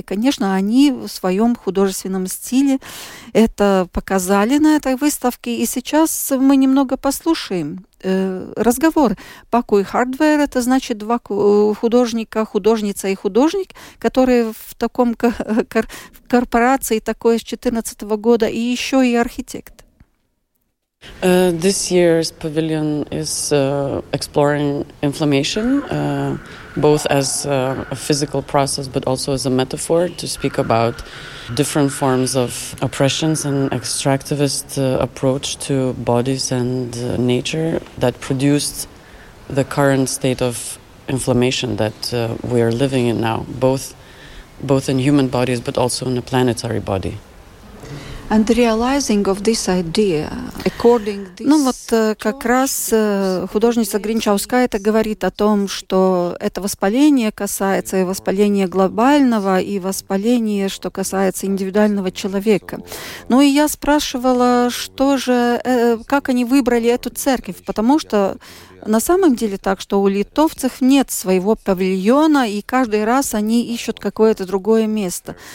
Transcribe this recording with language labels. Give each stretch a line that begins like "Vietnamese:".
Russian: И, конечно, они в своем художественном стиле это показали на этой выставке. И сейчас мы немного послушаем разговор. Паку и Хардвер — это значит два художника, художница и художник, которые в таком корпорации такой с 2014 года, и еще и архитект.
English: This year's pavilion is exploring inflammation both as a physical process but also as a metaphor to speak about different forms of oppressions and extractivist approach to bodies and nature that produced the current state of inflammation that we are living in now, both in human bodies but also in a planetary body. And the realizing of this idea, according this...
Russian: Ну вот как раз художница Гринчаускайте это говорит о том, что это воспаление касается и воспаления глобального, и воспаления, что касается индивидуального человека. Ну и я спрашивала, что же, как они выбрали эту церковь, потому что на самом деле так, что у литовцев нет своего павильона, и каждый раз они ищут какое-то другое место.